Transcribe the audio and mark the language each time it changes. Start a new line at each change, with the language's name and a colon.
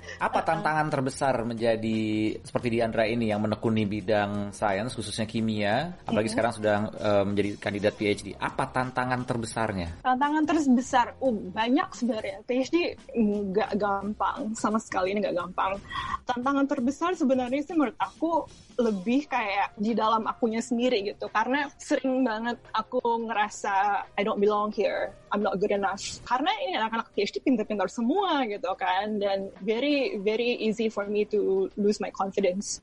Indonesian: Apa tantangan terbesar menjadi seperti Diandra ini yang menekuni bidang sains, khususnya kimia, apalagi sekarang sudah menjadi kandidat PhD? Apa tantangan terbesarnya? Tantangan terbesar, banyak sebenarnya. PhD nggak gampang, sama sekali ini nggak gampang. Tantangan terbesar sebenarnya sih menurut aku lebih kayak di dalam akunya sendiri gitu. Karena sering banget aku ngerasa,
English: I don't belong here, I'm not good enough.
Indonesian: Karena ini anak-anak PhD pintar-pintar semua gitu kan.
English: Dan very, very easy for me to lose my confidence.